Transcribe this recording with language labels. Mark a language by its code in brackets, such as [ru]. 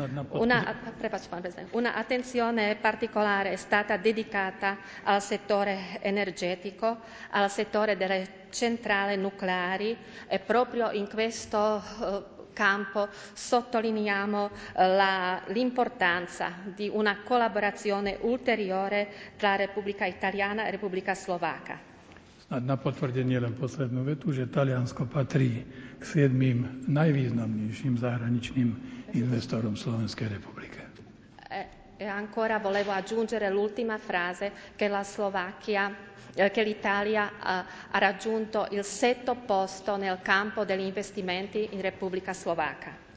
[it] Una attenzione particolare è stata dedicata al settore energetico, al settore delle centrali nucleari e proprio in questo campo sottolineiamo l'importanza di una collaborazione ulteriore tra Repubblica Italiana e Repubblica Slovacca. [sk] Na potvrdenie len poslednú vetu, že Taliansko patrí k 7. najvýznamnejším zahraničným investorom Slovenskej republiky. [it] E ancora volevo aggiungere l'ultima frase che la Slovacchia, che l'Italia ha raggiunto il 7° posto nel campo degli investimenti in Repubblica Slovacca.